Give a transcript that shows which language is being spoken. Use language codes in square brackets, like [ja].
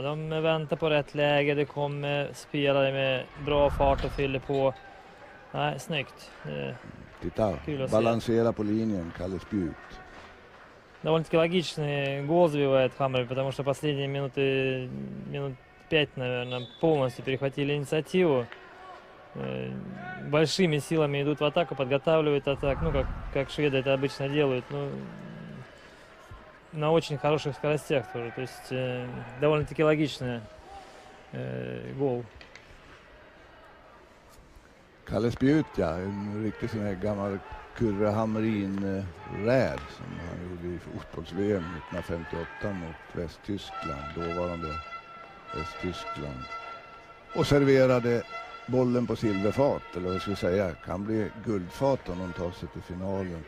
[sv] De väntar på rätt läge. Det kommer spelare med bra fart och fyller på. Nej, snyggt. Titta, balansera på linjen, Kalle Spjut. Det var lite logiskt, gåsvivet Hammarby, för det måste passa in i minut 5, [ru] наверное, полностью перехватили инициативу. Большими силами идут в атаку, подготавливают атаку, ну как шведы это обычно делают, но на очень хороших скоростях тоже. То есть довольно-таки логичный гол. [sv] Kalle Spjut, ja, en riktig sån här gammal Kurre Hamrin räd som han gjorde i fotbolls-VM 1958 mot Västtyskland, dåvarande Västtyskland. Och serverade bollen på silverfat, eller vad ska jag säga, kan bli guldfat om de tar sig till finalen.